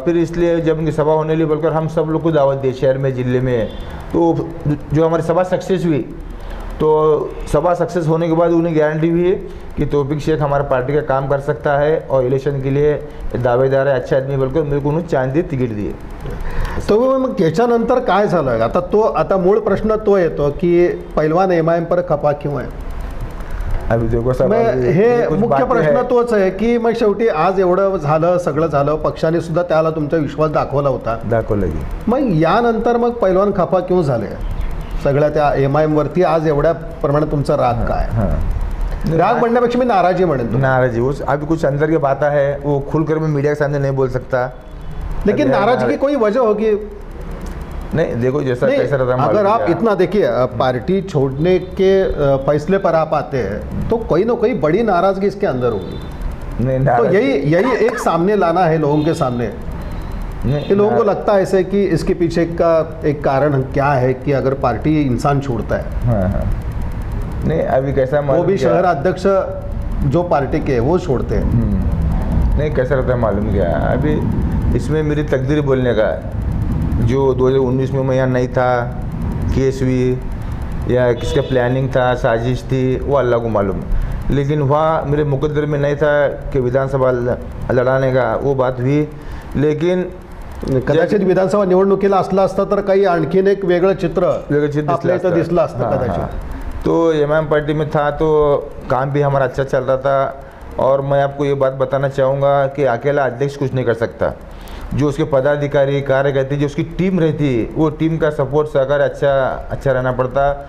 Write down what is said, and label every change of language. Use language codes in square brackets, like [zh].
[hi] फिर इसलिए जब उनकी सभा होने लगी बोलकर हम सब लोग को दावत दिए शहर में, ज़िले में। तो जो हमारी सभा सक्सेस हुई, तो सभा सक्सेस होने के बाद उन्हें गारंटी हुई कि तौफिक शेख हमारे पार्टी का काम कर सकता है और इलेक्शन के लिए दावेदार है, अच्छा आदमी, बल्कि मेरे को उन्होंने चांस दिए, टिकट दिए। [mr] तो मग त्याच्यानंतर काय झालं? आता तो आता मूळ प्रश्न तो येतो की पहलवान MIM [hi] पर खपा क्यों [mr] आहे? हे मुख्य प्रश्न तोच आहे की मग शेवटी आज एवढं झालं, सगळं झालं, पक्षाने सुद्धा त्याला तुमचा विश्वास दाखवला होता, दाखवलं, मग यानंतर मग पहलवान [hi] खपा क्यों [mr] झाले सगळ्या त्या MIM वरती आज एवढ्या प्रमाणात तुमचा राग काय? राग म्हणण्यापेक्षा मी नाराजी म्हणेन, [hi] नाराजी अभी कुछ अंदर की बात आहे, वो खुलकर मी मीडिया के सामने नहीं बोल सकता, लेकिन नाराजगी की कोई वजह होगी? नहीं देखो, जैसा कैसा रहता है, अगर आप इतना देखिए पार्टी छोड़ने के फैसले पर आप आते हैं तो कहीं ना कहीं बड़ी नाराजगी इसके अंदर होगी। नहीं, तो यही एक सामने लाना है लोगों के सामने, कि लोगों को लगता है ऐसे कि इसके पीछे का एक कारण क्या है कि अगर पार्टी इंसान छोड़ता है। नहीं अभी कैसा, वो भी शहर अध्यक्ष जो पार्टी के वो छोड़ते हैं। नहीं कैसा रहता है मालूम क्या, अभी इसमें मेरी तकदीर बोलने का, जो 2019 में मैं यहाँ नहीं था, केस हुई, या किसका प्लानिंग था, साजिश थी, वो अल्लाह को मालूम। लेकिन वहाँ मेरे मुकद्दर में नहीं था कि विधानसभा लड़ाने का, वो बात हुई। लेकिन [mr] कदाचित विधानसभा निवडणुकीला असला असता तर काही आणखीन एक वेगळं चित्र आपल्याला इथं दिसलं असतं कदाचित। [hi] तो MM पार्टी में था तो काम भी हमारा अच्छा चल रहा था। और मैं आपको ये बात बताना चाहूँगा कि अकेला अध्यक्ष कुछ नहीं कर सकता, जो उसके पदाधिकारी कार्यकर्ते जो उसकी टीम रहती है वो टीम का सपोर्ट सहकार अच्छा अच्छा रहना पड़ता।